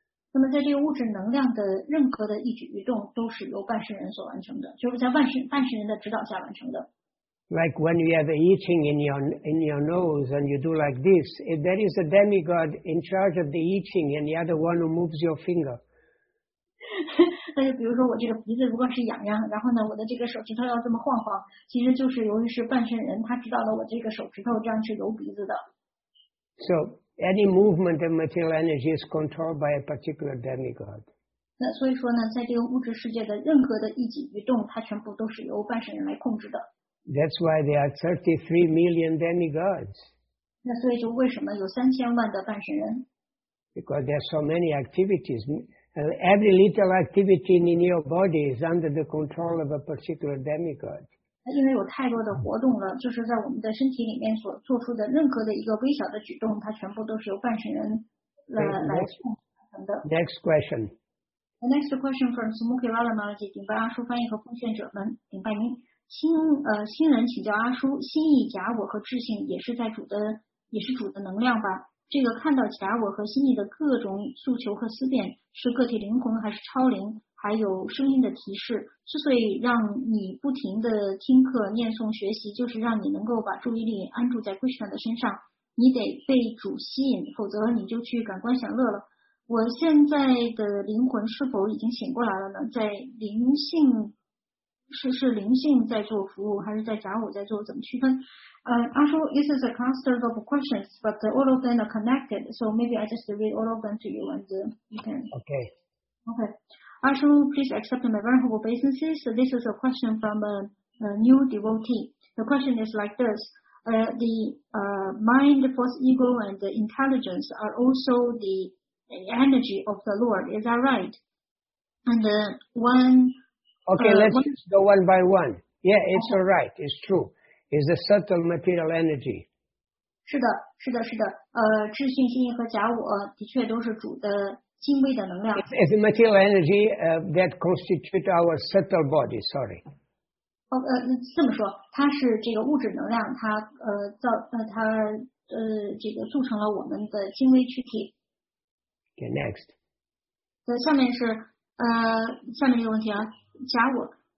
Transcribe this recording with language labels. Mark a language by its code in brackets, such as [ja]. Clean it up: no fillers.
[zh] 那么在这个物质能量的任何的一举一动都是由半神人所完成的，就是在半神人的指导下完成的。 [en] Like when you have a itching in your nose and you do like this, if there is a demigod in charge of the itching and the other one who moves your finger. [zh] 那就比如说我这个鼻子如果是痒痒，然后呢我的这个手指头要这么晃晃，其实就是由于是半神人他知道了我这个手指头这样是揉鼻子的。 [en] So,Any movement of material energy is controlled by a particular demigod. [zh] 那所以说呢，在这个物质世界的任何的一举一动，它全部都是由半神人来控制的。 [en] That's why there are 33 million demigods. [zh] 那所以就为什么有三千万的半神人？ [en] Because there are so many activities. Every little activity in your body is under the control of a particular demigod. [zh] 因为有太多的活动了，就是在我们的身体里面所做出的任何的一个微小的举动，它全部都是由半神人来控制的。 [en] Next question. The next question from Sumukhi Lala Maharaji, [zh] 顶拜阿叔翻译和奉献者们，顶拜您。新人请教阿叔，心意假我和智性也是在主的，也是主的能量吧？这个看到假我和心意的各种诉求和思辨，是个体灵魂还是超灵？还有声音的提示，之所以让你不停的听课、念诵、学习，就是让你能够把注意力安住在 Krishna 的身上。你得被主吸引，否则你就去感官享乐了。我现在的灵魂是否已经醒过来了呢？在灵性是灵性在做服务，还是在假我在做？怎么区分？ [en] Actually, this is a cluster of questions, but all of them are connected. So maybe I just read all of them to you, and you can. Okay. Okay. Ashu, please accept my very humble obeisances. This is a question from a new devotee. The question is like this. Mind, force, ego, and the intelligence are also the energy of the Lord. Is that right? And let's go one by one. Yeah, it's all right. It's true. It's a subtle material energy. [zh] 是的，是的，是的。智性、心意和假我的确都是主的精微的能量。 [en] It's material energy that constitutes our subtle body. Sorry. [zh] 这么说，它是这个物质能量，它这个组成了我们的精微躯体。 [en] Okay, next. [zh] 下面是下面一个问题啊，假我。